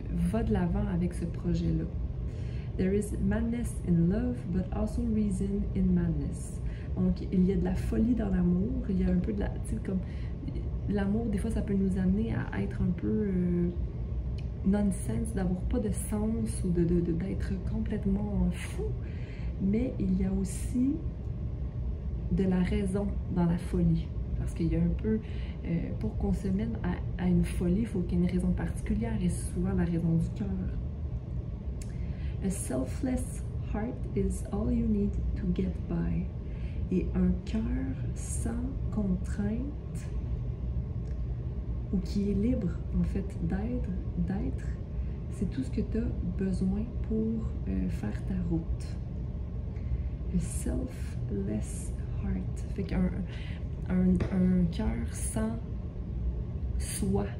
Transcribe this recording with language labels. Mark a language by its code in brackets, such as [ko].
[fr] Va de l'avant avec ce projet-là. [en] There is madness in love, but also reason in madness. [fr] Donc, il y a de la folie dans l'amour. Il y a un peu de la. Tu sais, comme. L'amour, des fois, ça peut nous amener à être un peu nonsense, d'avoir pas de sens ou d'être complètement fou. Mais il y a aussi de la raison dans la folie. Parce qu'il y a un peu. Pour qu'on se mène à une folie, il faut qu'il y ait une raison particulière et souvent la raison du cœur. [en] A selfless heart is all you need to get by. [fr] Et un cœur sans contrainte, ou qui est libre en fait d'être, c'est tout ce que tu as besoin pour faire ta route. [en] A selfless heart. [fr] Fait qu'un cœur sans soi.